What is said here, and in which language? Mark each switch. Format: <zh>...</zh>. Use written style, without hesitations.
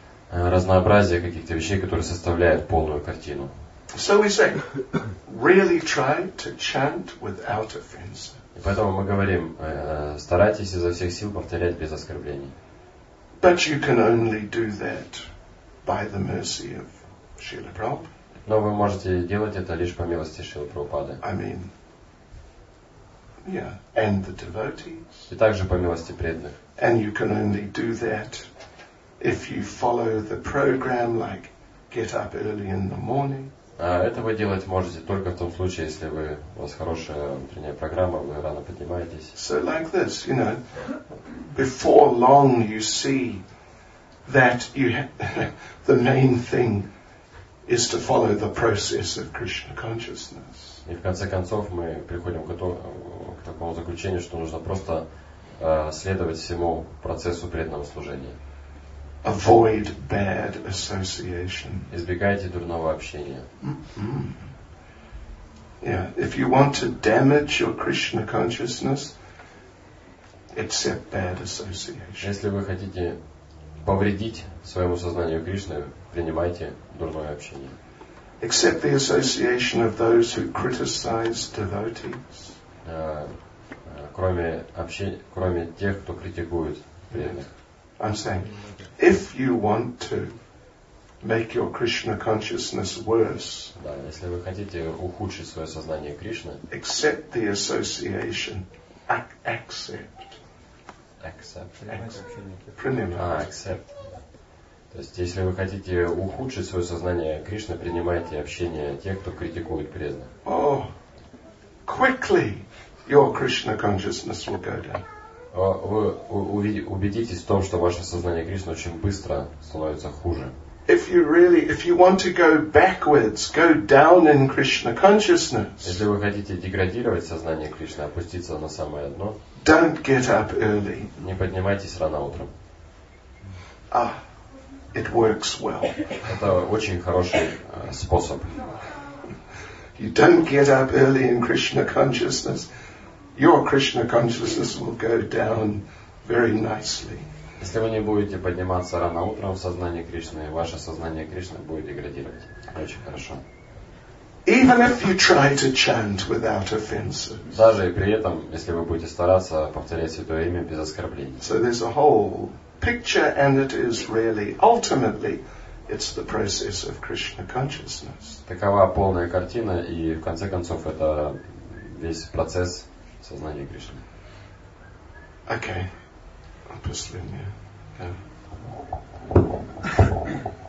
<ru>разнообразие каких-то вещей, которые составляют полную картину.</ru> <en>So we say, really try to chant without offense.</en> <ru>И поэтому мы говорим, старайтесь изо всех сил повторять без оскорблений.</ru> <en>But you can only do that by the mercy of Srila Prabhupada.</en> <ru>Но вы можете делать это лишь по милости Шрилы Прабхупады.</ru> <en>I mean, yeah, and the devotees.</en> <ru>И также по милости преданных.</ru> <en>And you can only do that if you follow the program, like get up early in the morning.</en> <ru>Это вы делать можете только в том случае, если вы, у вас хорошая утренняя программа, вы рано поднимаетесь.</ru> <en>So like this, you know, before long you see that you the main thing is to follow the process of Krishna consciousness.</en> <ru>И в конце концов мы приходим к такому заключению, что нужно просто следовать всему процессу преданного служения.</ru> <en>Avoid bad association.</en> <ru>Избегайте дурного общения.</ru> <en>Yeah, if you want to damage your Krishna consciousness, accept bad association.</en> <ru>Если вы хотите повредить своему сознанию Кришны, принимайте дурное общение.</ru> <en>Accept the association of those who criticize devotees.</en> <ru>Кроме тех, кто критикует преданных.</ru> <en>I'm saying, if you want to make your Krishna consciousness worse,</en> <ru>да, если вы хотите ухудшить свое сознание Кришны,</ru> <en>accept the association. Accept. Accept.</en> <ru>То есть, если вы хотите ухудшить свое сознание Кришны, принимайте общение тех, кто критикует преданных.</ru> <en>Oh, quickly, your Krishna consciousness will go down.</en> <ru>Вы убедитесь в том, что ваше сознание Кришны очень быстро становится хуже.</ru> <en>If you really, if you want to go backwards, go down in Krishna consciousness.</en> <ru>Если вы хотите деградировать сознание Кришны, опуститься на самое дно.</ru> <en>Don't get up early.</en> <ru>Не поднимайтесь рано утром.</ru> <en>Ah, it works well.</en> <ru>Это очень хороший способ.</ru> <en>You don't get up early in Krishna consciousness. Your Krishna consciousness will go down very nicely.</en> <ru>Если вы не будете подниматься рано утром в сознании Кришны, ваше сознание Кришны будет деградировать. Очень хорошо.</ru> <en>Even if you try to chant without offenses.</en> <ru>Даже и при этом, если вы будете стараться повторять святое имя без оскорблений.</ru> <en>So there's a whole picture, and it is really ultimately it's the process of Krishna consciousness.</en> <ru>Такова полная картина, и в конце концов это весь процесс. Сознание Кришны.</ru> <en>Okay.</en> <ru>Последнее.</ru> <en>Yeah.</en>